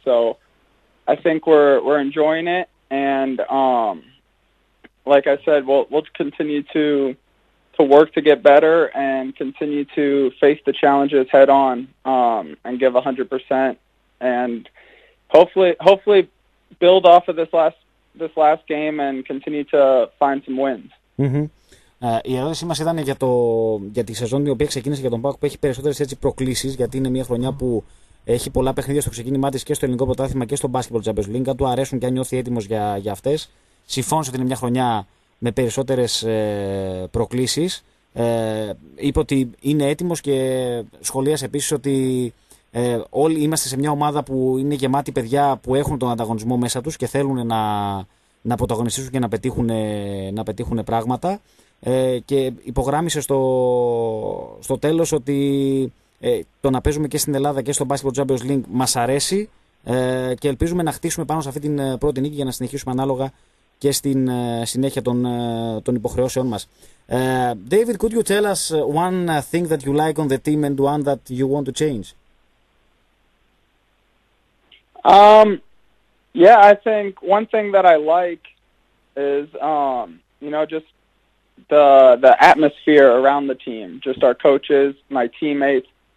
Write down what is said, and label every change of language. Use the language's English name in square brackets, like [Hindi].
[English] So I think we're enjoying it, and like I said, we'll continue to work to get better and continue to face the challenges head on and give 100%, and hopefully build off of this last game and continue to find some wins. Mm-hmm. [Greek] Η ερώτησή μας ήταν για τη σεζόν η οποία ξεκίνησε για τον ΠΑΟΚ, που έχει περισσότερες έτσι προκλήσεις, γιατί είναι μια χρονιά που έχει πολλά παιχνίδια στο ξεκίνημά της και στο ελληνικό πρωτάθλημα και στο Basketball Champions League. Αν του αρέσουν και αν νιώθει έτοιμος για αυτές. Συμφώνησε ότι είναι μια χρονιά με περισσότερες προκλήσεις. Είπε ότι είναι έτοιμος και σχολίασε επίσης ότι όλοι είμαστε σε μια ομάδα που είναι γεμάτη παιδιά που έχουν τον ανταγωνισμό μέσα τους και θέλουν να πρωταγωνιστήσουν και να πετύχουν πράγματα. Και υπογράμμισε στο τέλος ότι το να παίζουμε και στην Ελλάδα και στο Basketball Champions League μας αρέσει και ελπίζουμε να χτίσουμε πάνω σε αυτή την πρώτη νίκη για να συνεχίσουμε ανάλογα και στην συνέχεια των υποχρεώσεών μας. [English] David, could you tell us one thing that you like on the team and one that you want to change? Yeah, I think one thing that I like is, you know, just the atmosphere around the team, just our coaches, my teammates.